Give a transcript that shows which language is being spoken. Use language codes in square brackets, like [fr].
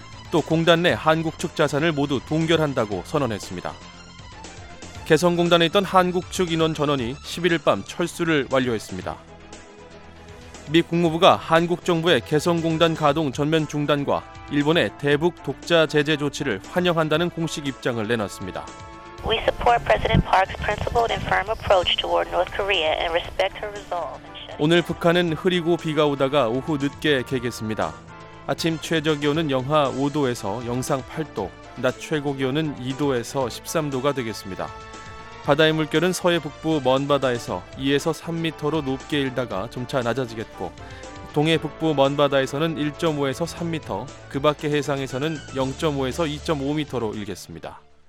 [ko] 또 공단 내 한국 측 자산을 모두 동결한다고 선언했습니다. 개성공단에 있던 한국 측 인원 전원이 11일 밤 철수를 완료했습니다. 미 국무부가 한국 정부의 개성공단 가동 전면 중단과 일본의 대북 독자 제재 조치를 환영한다는 공식 입장을 내놨습니다. [en] We support President Park's principled and firm approach toward North Korea and respect her resolve. [ko] 오늘 북한은 흐리고 비가 오다가 오후 늦게 개겠습니다. 아침 최저 기온은 영하 5도에서 영상 8도, 낮 최고 기온은 2도에서 13도가 되겠습니다. 바다의 물결은 서해 북부 먼 바다에서 2에서 3m로 높게 일다가 점차 낮아지겠고, 동해 북부 먼 바다에서는 1.5에서 3m, 그 밖의 해상에서는 0.5에서 2.5m로 일겠습니다.